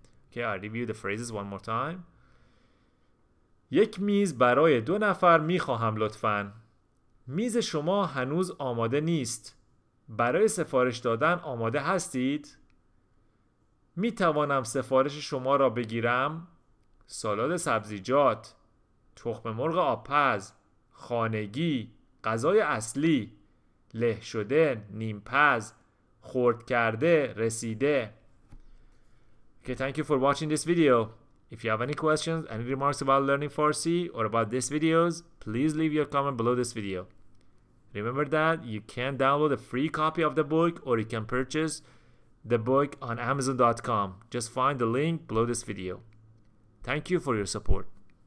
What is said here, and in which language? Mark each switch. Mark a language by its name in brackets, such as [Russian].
[English] Okay, I'll review the phrases one more time. [Persian] یک میز برای دو نفر میخواهم لطفاً. میز شما هنوز آماده نیست. برای سفارش دادن آماده هستید؟ میتوانم سفارش شما را بگیرم؟ سالاد سبزیجات، تخم مرغ آپز، خانگی، غذای اصلی، له شده، نیمپز، خرد کرده، رسیده. [English] Okay, thank you for watching this video. If you have any questions, any remarks about learning Farsi or about these videos, please leave your comment below this video. Remember that you can download a free copy of the book or you can purchase the book on Amazon.com. Just find the link below this video. Thank you for your support.